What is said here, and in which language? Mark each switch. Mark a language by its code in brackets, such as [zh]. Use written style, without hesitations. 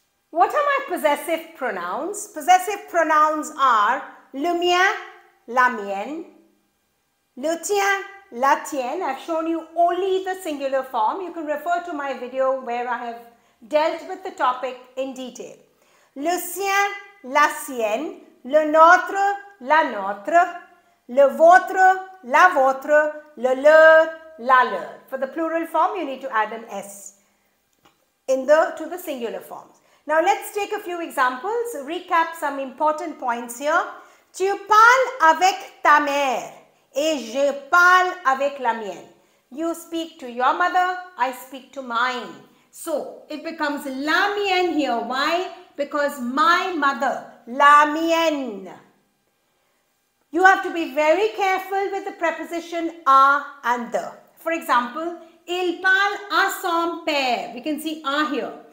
[en] What are my possessive pronouns? Possessive pronouns are [fr] le mien, la mienne, le tien, la tienne. [en] I've shown you only the singular form. You can refer to my video where I have dealt with the topic in detail. [fr] Le sien, la sienne, le nôtre, la nôtre, le vôtre, la vôtre, le leur, la leur. [en] For the plural form, you need to add an S to the singular form. Now, let's take a few examples, recap some important points here. [fr] Tu parles avec ta mère et je parle avec la mienne. [en] You speak to your mother, I speak to mine. So, it becomes [fr] la mienne [en] here. Why? Because my mother, [fr] la mienne. [en] You have to be very careful with the preposition a and the. For example, [fr] il parle à son père. [en] We can see a here.